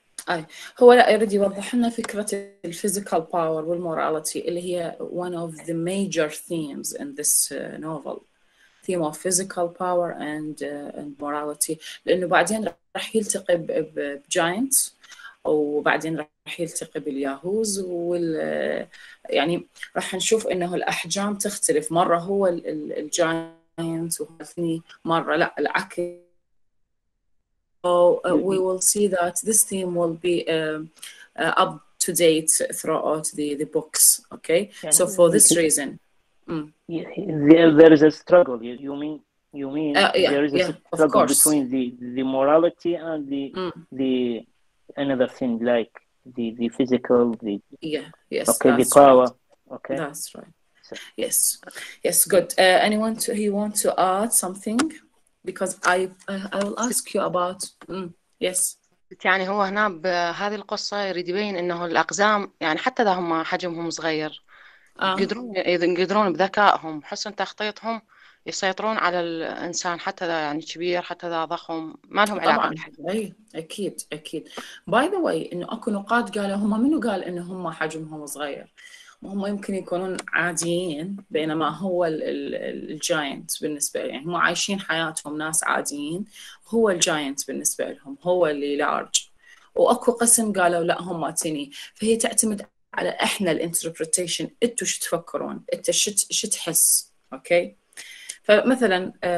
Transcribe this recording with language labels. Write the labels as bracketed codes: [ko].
[ar] أي هو لا يريد يوضح لنا فكرة الفيزيكال باور والموراليتي اللي هي [en] one of the major themes in this novel theme of physical power and morality [ar] لأنه بعدين رح يلتقي بجاينتس وبعدين رح يلتقي باليهوز وال يعني رح نشوف إنه الأحجام تختلف مرة هو الجاينت وثاني مرة لا العكس [en] so we will see that this theme will be up to date throughout the books okay so for this reason there is a struggle you mean there is a struggle between the morality and the another thing like the physical the yes okay the power right. Okay that's right so. yes good anyone to he want to add something because I will ask you about yes [ar] يعني هو هنا بهذه القصة يريد يبين انه الاقزام يعني حتى اذا هم حجمهم صغير يقدرون بذكائهم حسن تخطيطهم يسيطرون على الإنسان حتى ذا يعني كبير حتى ذا ضخم ما لهم علاقة أكيد [en] by the way [ar] إنه أكو نقاد قالوا هم منو قال إنه هم حجمهم صغير هم يمكن يكونون عاديين بينما هو الجاينت بالنسبة لهم يعني هم عايشين حياتهم ناس عاديين هو الجاينت بالنسبة لهم هو اللي لارج وأكو قسم قالوا لا هم تيني فهي تعتمد على إحنا الانتربريتيشن إنتوا شو تفكرون إنت شو تحس أوكي فمثلا